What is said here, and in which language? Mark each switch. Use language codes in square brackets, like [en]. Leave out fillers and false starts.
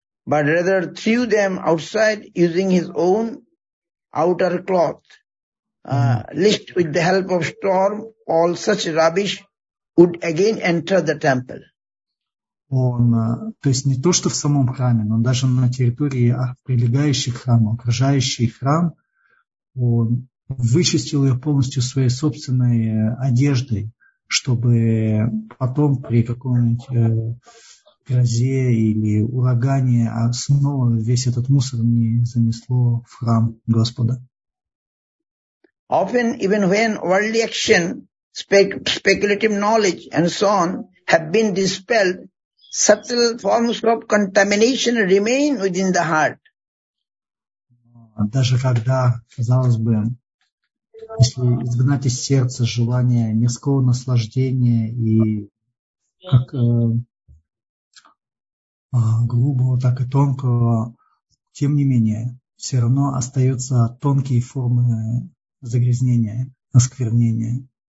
[en] But rather threw them outside using his own outer cloth, lest with the help of storm all such rubbish would again enter the temple. [ru] Он, то есть не то, что в самом храме, но даже на территории прилегающих храмов, окружающий храм, он вычистил ее полностью своей собственной одеждой, чтобы потом при каком-нибудь грозе или урагане, а снова весь этот мусор не занесло в храм Господа. [en] Often, even when worldly action, speculative knowledge and so on have been dispelled, subtle forms of contamination remain within the heart. [ru] Даже когда, казалось бы, если изгнать из сердца желание мирского наслаждения и как грубого, так и тонкого, тем не менее, все равно остаются тонкие формы загрязнения, осквернения.